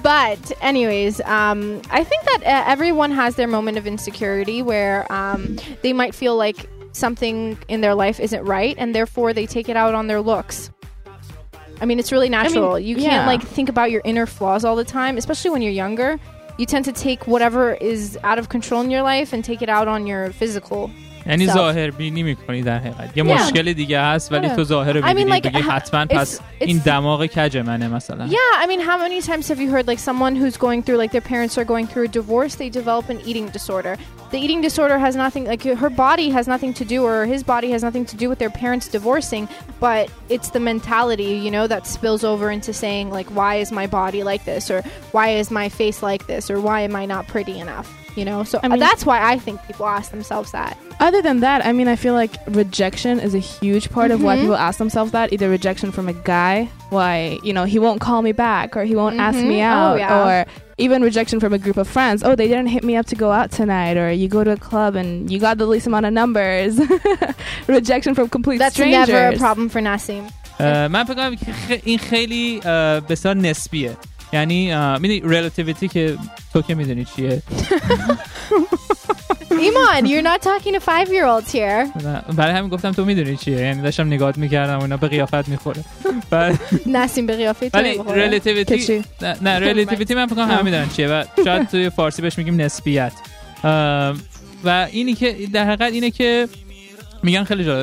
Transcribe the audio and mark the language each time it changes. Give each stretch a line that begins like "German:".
English: But anyways, I think that everyone has their moment of insecurity where they might feel like something in their life isn't right, and therefore they take it out on their looks. I mean, it's really natural. I mean, you can't like think about your inner flaws all the time, especially when you're younger. You tend to take whatever is out of control in your life and take it out on your physical.
Persian: یعنی ظاهر بینی میکنی در حقیقت یه مشکل دیگه هست ولی تو ظاهر رو میبینی دیگه حتما پس این دماغ کج منه مثلا.
English: Yeah, I mean, how many times have you heard like someone who's going through like their parents are going through a divorce, they develop an eating disorder. The eating disorder has nothing, like her body has nothing to do, or his body has nothing to do with their parents divorcing, but it's the mentality, you know, that spills over into saying like, why is my body like this, or why is my face like this, or why am I not pretty enough, you know? So I mean, that's why I think people ask themselves that. Other than that, I mean, I feel like rejection is a huge part of why people ask themselves that. Either rejection from a guy, why, you know, he won't call me back, or he won't ask me out, or even rejection from a group of friends. Oh, they didn't hit me up to go out tonight. Or you go to a club and you got the least amount of numbers. Rejection from complete strangers. That's never a problem for Nassim.
Persian: من فکر کنم که این خیلی بسیار نسبیه. یعنی میدونی relativity که تو که میدونی چیه.
English: Iman, you're not talking to 5-year-olds here.
Persian: برای همین گفتم تو میدونی چیه. یعنی داشتم نگاهت میکردم و اینا به قیافت میخوره. نسیم به قیافت میخوره.
English: Relativity.
Persian: نه relativity من فکرم همه میدونن چیه. و شاید توی فارسی بهش میگیم نسبیت. و اینی که در حقیقت اینه که میگن خیلی جالبه.